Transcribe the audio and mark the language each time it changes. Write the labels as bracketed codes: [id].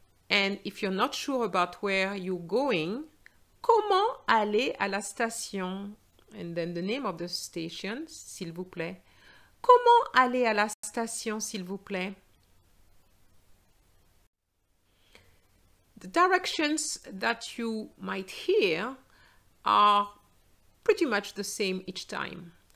[en] And if you're not sure about where you're going, [fr] comment aller à la station? [en] And then the name of the station, [fr] s'il vous plaît. Comment aller à la station, s'il vous plaît? [en] The directions that you might hear are pretty much the same each time.